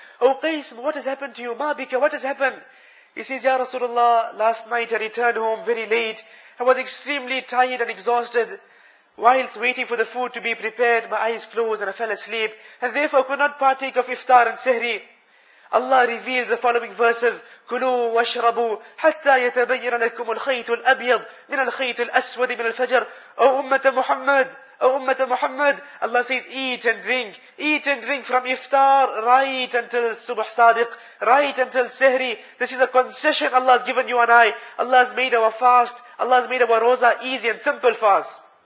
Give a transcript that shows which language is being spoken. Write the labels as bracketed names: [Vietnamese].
[English] Oh Qais, what has happened to you? Ma bika, what has happened? He says, Ya Rasulullah, last night I returned home very late. I was extremely tired and exhausted. Whilst waiting for the food to be prepared, my eyes closed and I fell asleep. And therefore could not partake of iftar and sihri. Allah reveals the following verses, [Arabic] كُلُوا وَاشْرَبُوا حَتَّى يَتَبَيِّنَ لَكُمُ الْخَيْتُ الْأَبْيَضِ مِنَ الْخَيْتُ الْأَسْوَدِ مِنَ الْفَجْرِ. [English] O Ummat Muhammad, O Ummat Muhammad, Allah says, eat and drink from iftar, right until Subh Sadiq, right until Sihri. This is a concession Allah has given you and I. Allah has made our fast, Allah has made our roza easy and simple for us.